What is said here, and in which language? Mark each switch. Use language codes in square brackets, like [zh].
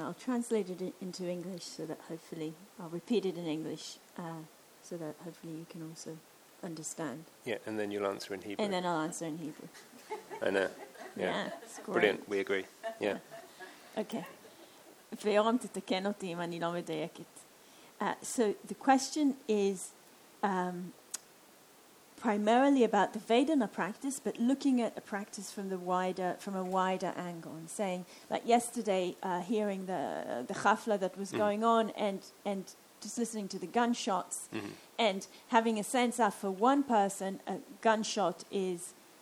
[en] I'll translate it into English so that hopefully I'll repeat it in English so that hopefully you can also understand. Yeah, and then you'll answer in Hebrew. And then I'll answer in Hebrew. I know. Yeah. Brilliant. We agree. Yeah. Okay. [he] ויורם תתקן אותי אם אני לא מדייקת. [en] So the question is primarily about the Vedana practice, but looking at a practice from a wider angle, and saying like yesterday hearing the chafla that was going on and just listening to the gunshots and having a sense that for one person a gunshot is